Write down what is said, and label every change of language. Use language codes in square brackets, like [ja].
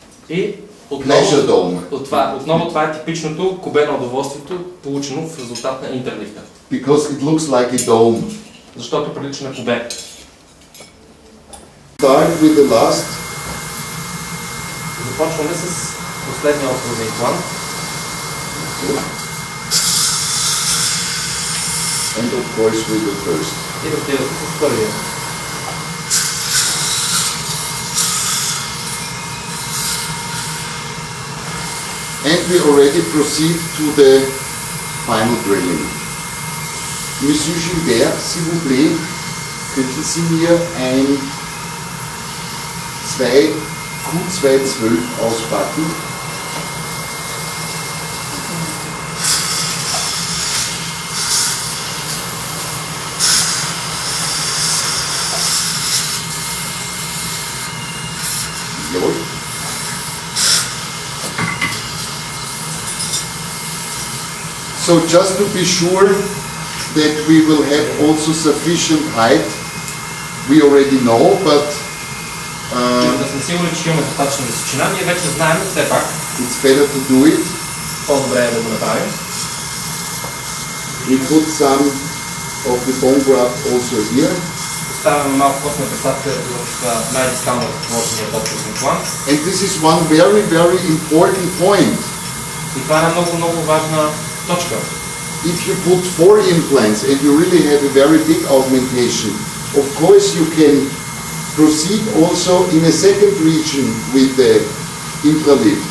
[bg] И отново това е типичното кубе на удоволствието, получено в резултат на интерлифта. [en] Because it looks like a dome. [bg] Защото прилича на кубе. [en] Start with the last. [bg] Започваме с последния основен имплант. [en] And of course with the first. [bg] И да отидете с първия. [en] And we already proceed to the final drilling. [fr] Monsieur Gilbert, s'il vous plaît, [de] könnt ihr Sie mir ein 2Q212 auspacken? [en] So just to be sure that we will have also sufficient height, we already know, but [bg] да сме сигурни, че имаме достатъчна височина, ние вече знаем, все пак. [en] It's better to do it. [bg] По-добре е да го направим. [en] We put some of the bone graft also here. [bg] Поставяме малко костна присадка в най-дискално възможния подкостен план. [en] And this is one very, very important point. [bg] И това е много, много важна точка. [en] If you put four implants and you really have a very big augmentation, of course you can proceed also in a second region with the intralift.